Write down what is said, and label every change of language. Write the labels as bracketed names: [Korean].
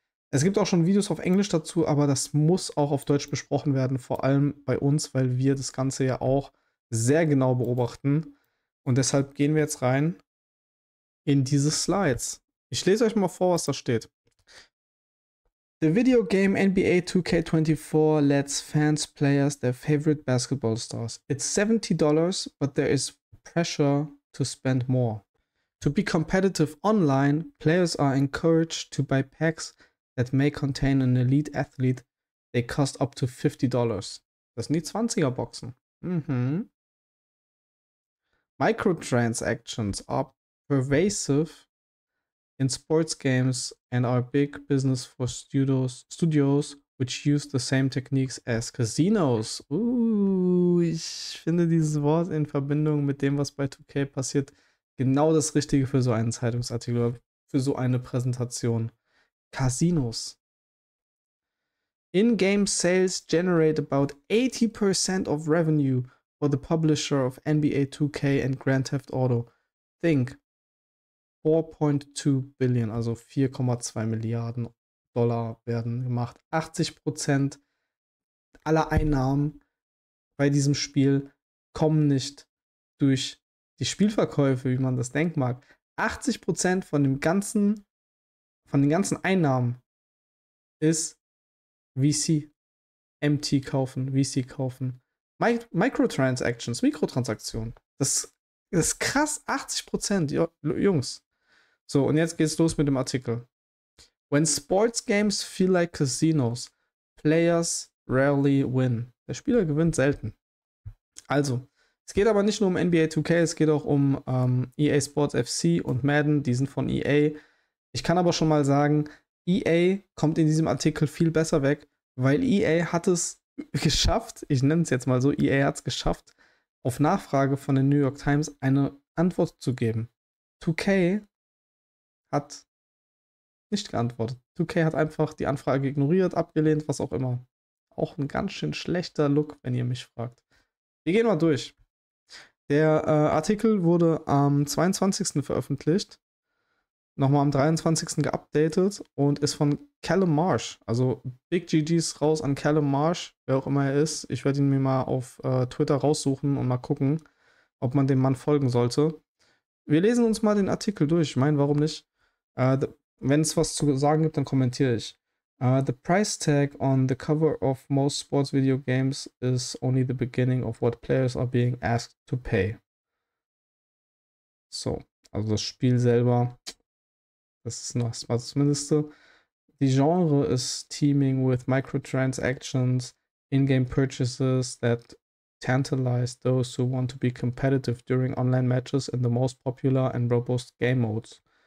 [German] Es gibt auch schon Videos auf Englisch dazu, aber das muss auch auf Deutsch besprochen werden. Vor allem bei uns, weil wir das Ganze ja auch sehr genau beobachten. Und deshalb gehen wir jetzt rein in diese Slides. Ich lese euch mal vor, was da steht. [English] The video game NBA 2K24 lets fans play as their favorite basketball stars. It's $70, but there is pressure to spend more. To be competitive online, players are encouraged to buy packs that may contain an elite athlete. They cost up to $50. [German] Das sind die 20er Boxen. [English] Mhm. Microtransactions are pervasive in sports games and are big business for studios which use the same techniques as casinos. [German] Ich finde dieses Wort in Verbindung mit dem, was bei 2K passiert, genau das Richtige für so einen Zeitungsartikel oder für so eine Präsentation. [English] Casinos. In-game sales generate about 80% of revenue for the publisher of NBA 2K and Grand Theft Auto. Think 4.2 Billion, [German] also 4,2 Milliarden Dollar werden gemacht. 80% aller Einnahmen bei diesem Spiel kommen nicht durch die Spielverkäufe, wie man das denken mag. 80% von den ganzen Einnahmen ist VC kaufen. Mikrotransaktionen. Das ist krass, 80%, Jungs. So, und jetzt geht's los mit dem Artikel. [English] When sports games feel like casinos, players rarely win. [German] Der Spieler gewinnt selten. Also, es geht aber nicht nur um NBA 2K, es geht auch um EA Sports FC und Madden, die sind von EA. Ich kann aber schon mal sagen, EA kommt in diesem Artikel viel besser weg, weil EA hat es geschafft, ich nenne es jetzt mal so, EA hat es geschafft, auf Nachfrage von den New York Times eine Antwort zu geben. 2K hat nicht geantwortet. 2K hat einfach die Anfrage ignoriert, abgelehnt, was auch immer. Auch ein ganz schön schlechter Look, wenn ihr mich fragt. Wir gehen mal durch. Der Artikel wurde am 22. veröffentlicht, nochmal am 23. geupdatet und ist von Callum Marsh. Also Big GGs raus an Callum Marsh, wer auch immer er ist. Ich werde ihn mir mal auf Twitter raussuchen und mal gucken, ob man dem Mann folgen sollte. Wir lesen uns mal den Artikel durch. Ich meine, warum nicht? Wenn es was zu sagen gibt, dann kommentiere ich. [English] The price tag on the cover of most sports video games is only the beginning of what players are being asked to pay. [German] So, also das Spiel selber, das ist noch das Mindeste. Die Genre ist [English] teeming with microtransactions, in-game purchases that tantalize those who want to be competitive during online matches in the most popular and robust game modes.